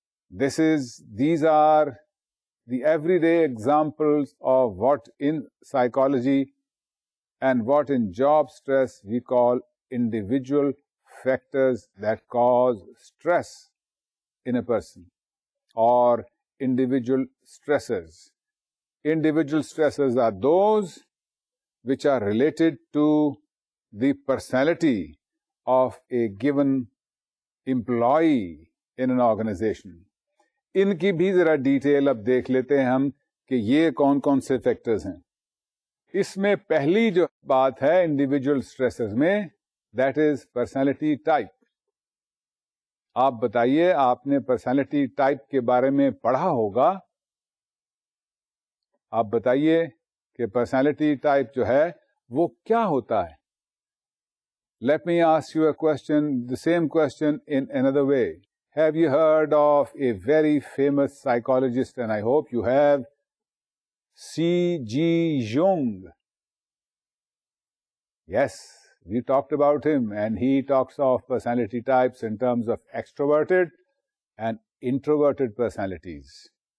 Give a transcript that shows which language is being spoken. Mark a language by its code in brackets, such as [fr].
[en] These are the everyday examples of what in psychology and what in job stress we call individual factors that cause stress in a person or individual stressors. Individual stressors are those which are related to the personality of a given employee in an organization. [ur] ان کی بھی ذرا detail اب دیکھ لیتے ہیں ہم کہ یہ کون کون سے فیکٹرز ہیں. اس میں پہلی جو بات ہے انڈیویجل اسٹریسز میں, [en] That is personality type. [ur] آپ بتائیے, آپ نے پرسنالٹی ٹائپ کے بارے میں پڑھا ہوگا. آپ بتائیے کہ پرسنالٹی ٹائپ جو ہے وہ کیا ہوتا ہے. [en] Let me ask you a question, the same question in another way. Have you heard of a very famous psychologist, and I hope you have, C.G. Jung? Yes, we talked about him, and he talks of personality types in terms of extroverted and introverted personalities.